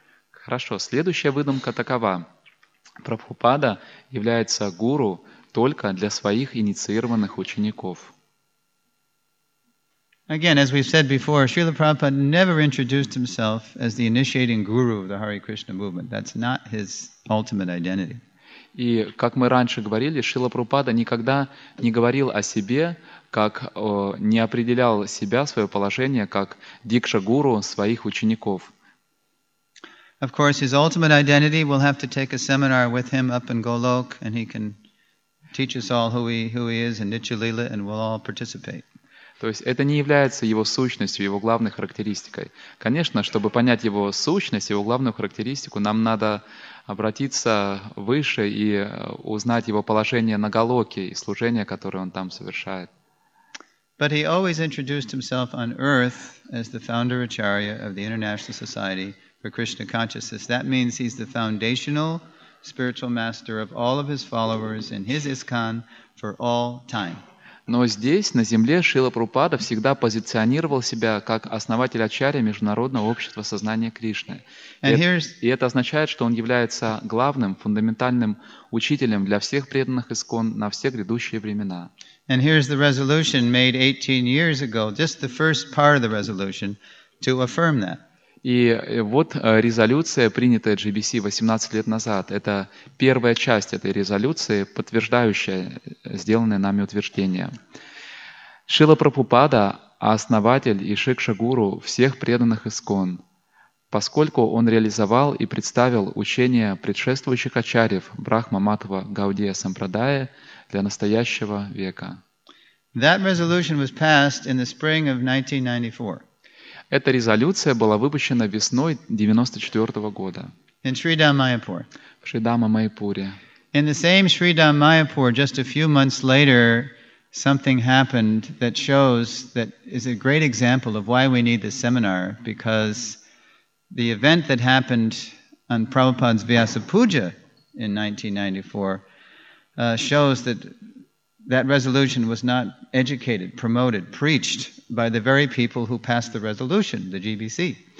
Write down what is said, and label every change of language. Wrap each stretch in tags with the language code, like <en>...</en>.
<ru>Хорошо, следующая выдумка такова. Прабхупада является гуру только для своих инициированных учеников.</ru> <en>Again, as we've said before, Srila Prabhupada never introduced himself as the initiating guru of the Hare Krishna movement. That's not his ultimate identity.</en> <ru>И как мы раньше говорили, Шрила Прабхупада никогда не говорил о себе, как не определял себя, свое положение, как дикша-гуру своих учеников.</ru> <en>Of course, his ultimate identity, we'll have to take a seminar with him up in Golok, and he can teach us all who he is in Nityalila, and we'll all participate.</en> <ru>То есть это не является его сущностью, его главной характеристикой. Конечно, чтобы понять его сущность, его главную характеристику, нам надо обратиться выше и узнать его положение на Голоке и служение, которое он там совершает.</ru> <en>But he always introduced himself on earth as the founder Acharya of the International Society for Krishna Consciousness. That means he's the foundational spiritual master of all of his followers in his ISKCON for all time.</en> <ru>Но здесь, на Земле, Шрила Прабхупада всегда позиционировал себя как основатель Ачарьи Международного общества сознания Кришны. И это означает, что он является главным, фундаментальным учителем для всех преданных ИСКОН на все грядущие времена.</ru> <en>And here's the resolution made 18 years ago, just the first part of the resolution, to affirm that.</en> <ru>И вот резолюция, принятая GBC 18 лет назад. Это первая часть этой резолюции, подтверждающая сделанное нами утверждение. Шрила Прабхупада – основатель и шикша-гуру всех преданных ИСКОН, поскольку он реализовал и представил учение предшествующих ачарьев Брахма Матва Гаудия Сампрадая для настоящего века.</ru> <en>That resolution was passed in the spring of 1994.</en> <ru>Эта резолюция была выпущена весной 1994 года. В Шридама-Майяпуре.</ru> <en>In the same Шридама-Майяпур, just a few months later, something happened that shows that is a great example of why we need this seminar, because the event that happened on Prabhupada's Vyasa Puja in 1994 shows that resolution was not educated, promoted, preached by the very people who passed the resolution, the GBC.</en>